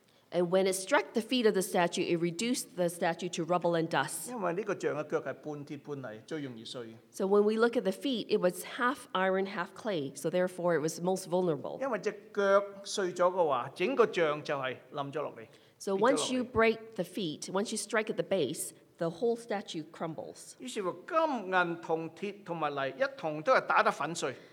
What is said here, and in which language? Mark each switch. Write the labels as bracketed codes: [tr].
[en] And when it struck the feet of the statue, it reduced the statue to rubble and dust. [yue] 因為呢個像嘅腳係半鐵半泥，最容易碎。 [en] So when we look at the feet, it was half iron, half clay. So therefore, it was most vulnerable. [yue] 因為只腳碎咗嘅話，整個像就係冧咗落嚟。 [en] So once you break the feet, once you strike at the base, the whole statue crumbles. [yue] 於是乎，金銀銅鐵同埋泥一同都係打得粉碎。